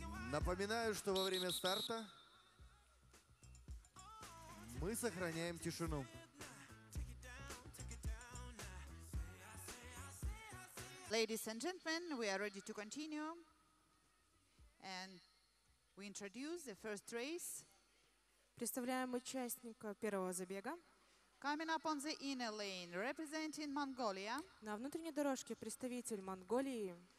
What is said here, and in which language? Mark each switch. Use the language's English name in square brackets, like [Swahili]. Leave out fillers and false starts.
[Russian] Напоминаю, что во время старта мы сохраняем тишину. [English] Ladies and gentlemen, we are ready to continue. And we introduce the first race. [Russian] Представляем участника первого забега. [English] Coming up on the inner lane, representing Mongolia. [Russian] На внутренней дорожке представитель Монголии.